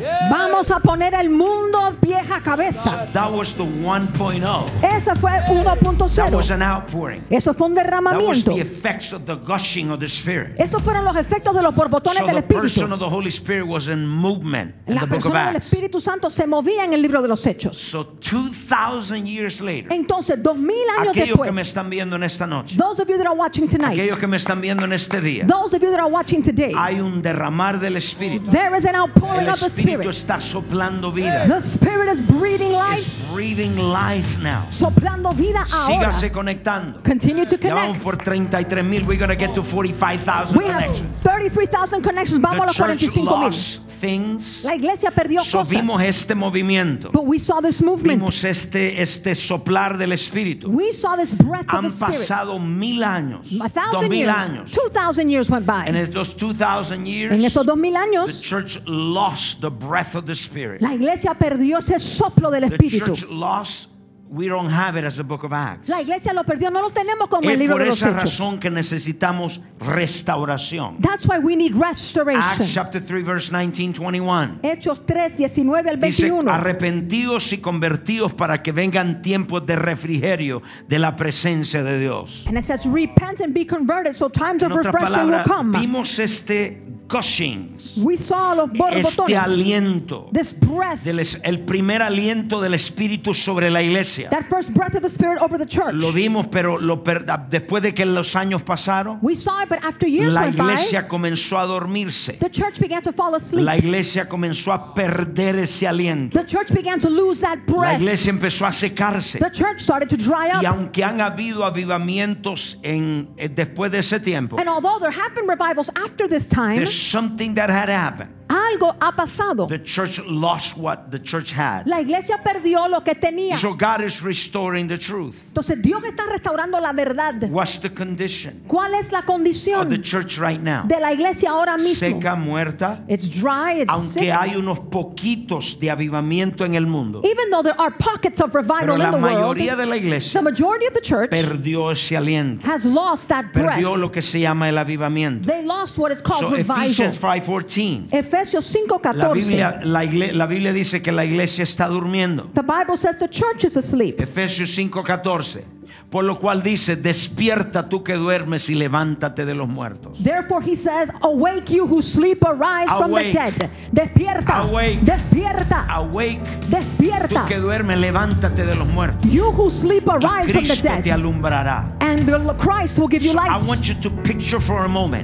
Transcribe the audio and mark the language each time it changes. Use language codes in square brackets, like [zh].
[es] Yes. Vamos a poner el mundo pie a cabeza. [en] That was the 1.0. [es] Ese fue 1.0. [en] That was an outpouring. [es] Eso fue un derramamiento. [en] That was the effects of the gushing of the Spirit. [es] Esos fueron los efectos de los borbotones [en] so [es] del Espíritu. [en] The person of the Holy Spirit was in movement in [es] la [en] the book of Acts. [es] El Espíritu Santo se movía en el libro de los Hechos. [en] So 2,000 years later. [es] Entonces, 2,000 años aquellos después. Aquellos que me están viendo en esta noche. [en] Those of you that are watching tonight. [es] Aquellos que me están viendo en este día. [en] Those of you that are watching today. [es] Hay un derramar del Espíritu. [en] There is an outpouring of the Spirit. [es] El Espíritu está soplando vida. [en] The Spirit is breathing life. It's breathing life now. [es] Soplando vida ahora. Sígase conectando. [en] Continue to connect. [es] Ya vamos por 33,000. [en] We're gonna get to 45,000 connections. We have 33,000 connections. [es] Vamos a los 45,000. [en] Things. [es] La iglesia perdió [en] so [es] cosas. Vimos este movimiento. [en] But we saw this movement. [es] Vimos este soplar del Espíritu. [en] We saw this breath of the [es] Spirit. Han pasado 1,000 años. [en] 2,000 years. 2,000 years went by. And in those 2,000 years, [es] en esos 2,000 años, [en] the church lost the breath of the Spirit. [es] La iglesia perdió ese soplo del Espíritu. [en] The church lost. We don't have it as the book of Acts. [es] La iglesia lo perdió, no lo tenemos como el libro de los Hechos. Es por esa razón que necesitamos restauración. [en] That's why we need restoration. Acts chapter 3 verse 19-21. [es] Hechos 3, 19 al 21. Dice: arrepentíos y convertíos para que vengan tiempos de refrigerio de la presencia de Dios. [en] And it says repent and be converted so times of refreshing will come. [es] Vimos este gushings, [en] we saw [es] los borbotones, este aliento, [en] this breath, [es] el primer aliento del Espíritu sobre la iglesia, [en] that first breath of the Spirit over the church. [es] Lo vimos, pero después de que los años pasaron, [en] we saw it, but after years [es] la iglesia [en] went by, [es] comenzó a dormirse, [en] the church began to fall asleep. [es] La iglesia comenzó a perder ese aliento, [en] the church began to lose that breath. [es] La iglesia empezó a secarse, [en] the church started to dry up. [es] Y aunque han habido avivamientos después de ese tiempo, [en] and although there have been revivals after this time, something that had happened. [es] Algo ha pasado. [en] The church lost what the church had. [es] La iglesia perdió lo que tenía. [en] So God is restoring the truth. [es] Entonces Dios está restaurando la verdad. [en] What's the condition? [es] ¿Cuál es la condición [en] of the church right now? [es] De la iglesia ahora mismo. Seca, muerta. [en] It's dry, it's [es] aunque [en] sick. [es] Hay unos poquitos de avivamiento en el mundo. [en] Even though there are pockets of revival [es] pero [en] in the world. [es] La mayoría de la iglesia, [en] the majority of the church, [es] perdió ese aliento. [en] Has lost that [es] perdió [en] breath. [es] Perdió lo que se llama el avivamiento. [en] They lost what is called so revival. Ephesians 5:14. [es] La Biblia dice que la iglesia está durmiendo. [en] The Bible says the church is asleep. [es] Efesios 5:14. Por lo cual dice: despierta tú que duermes y levántate de los muertos. [en] Therefore he says, awake you who sleep, arise awake from the dead. [es] Despierta. [en] Awake. [es] Despierta. [en] Awake. [es] Despierta. Tú que duermes, levántate de los muertos. [en] You who sleep, arise from the dead. [es] Cristo te alumbrará. [en] And the Christ will give you so light. I want you to picture for a moment.